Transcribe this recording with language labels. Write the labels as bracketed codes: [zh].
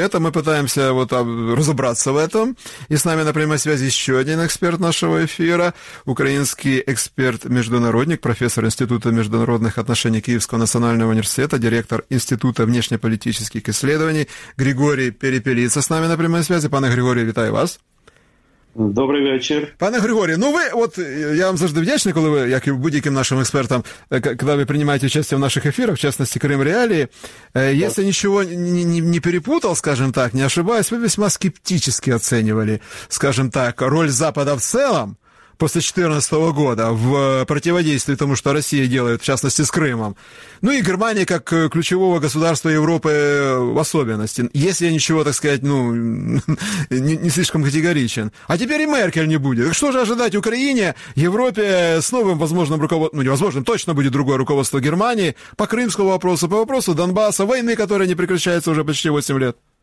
[ru] Это мы пытаемся вот разобраться в этом. И с нами на прямой связи еще один эксперт нашего эфира, украинский эксперт-международник, профессор Института международных отношений Киевского национального университета, директор Института внешнеполитических исследований Григорий Перепелица с нами на прямой связи. [uk] Пане Григорий, витаю вас. Добрий вечір. Пане Григорію, ну ви, от я вам завжди вдячний, коли ви, як і будь-яким нашим експертам, коли ви приймаєте участь в наших ефірах, в частності Крим Реалії, якщо нічого не перепутав, [ru] скажем так, не ошибаюсь, [uk] ви [ru] весьма [uk] скептично оцінювали, [ru] скажем так, роль Запада [uk] в цілому [ru] после 2014 года в противодействии тому, что Россия делает, в частности, с Крымом. Ну и Германия как ключевого государства Европы в особенности. Если я ничего, так сказать, ну, не слишком категоричен. А теперь и Меркель не будет. Что же ожидать Украине, Европе с новым возможным руководством, ну невозможным, точно будет другое руководство Германии по крымскому вопросу, по вопросу Донбасса, войны, которая не прекращается уже почти 8 лет?